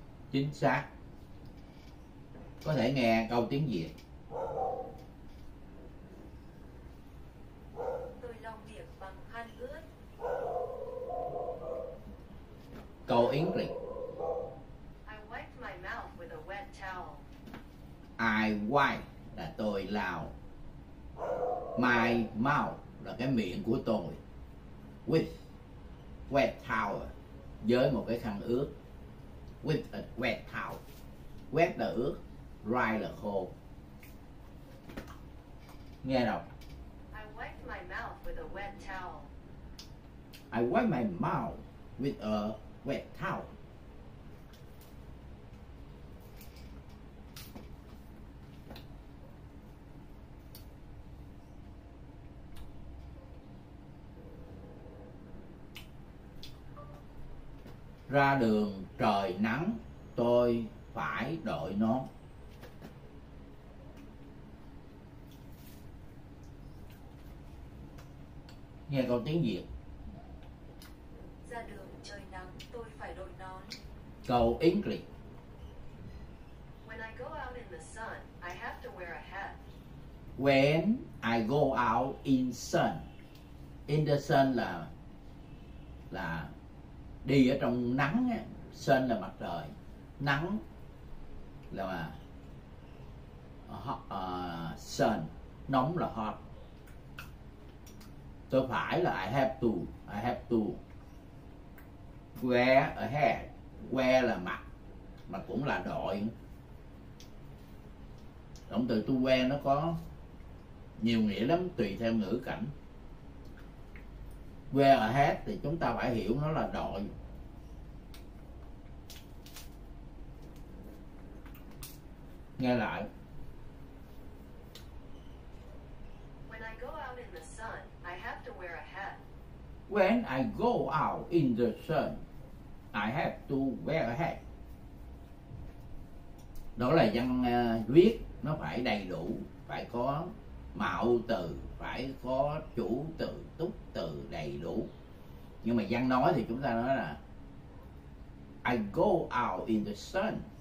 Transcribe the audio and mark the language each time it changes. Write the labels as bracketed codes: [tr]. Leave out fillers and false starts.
[vi] Chính xác. Có thể nghe câu tiếng Việt. Tôi lau miệng bằng khăn ướt. Câu English. [en] I wipe my mouth with a wet towel. I wipe [vi] là tôi lau. [en] My mouth [vi] là cái miệng của tôi. [en] With wet towel, [vi] với một cái khăn ướt. [en] With a wet towel. Wet [vi] là ướt, [en] dry [vi] là khô. Nghe đọc. [en] I wipe my mouth with a wet towel. I wipe my mouth with a wet towel. [vi] Ra đường trời nắng, tôi phải đội nón. Nghe câu tiếng Việt. Ra đường trời nắng, tôi phải đội nón. Câu English. [en] When I go out in the sun, I have to wear a hat. When I go out in sun. In the sun [vi] là đi ở trong nắng á, sun là mặt trời, nắng là hot, sun, nóng là hot. Tôi phải là [en] I have to wear a hat. [vi] Wear là mặt, mà cũng là đội. Động từ to wear nó có nhiều nghĩa lắm, tùy theo ngữ cảnh. Wear a hat thì chúng ta phải hiểu nó là đội. Nghe lại. [en] When I go out in the sun, I have to wear a hat. When I go out in the sun, I have to wear a hat. [vi] Đó là văn viết nó phải đầy đủ, phải có mạo từ, phải có chủ từ, túc từ đầy đủ. Nhưng mà văn nói thì chúng ta nói là [en] I go out in the sun.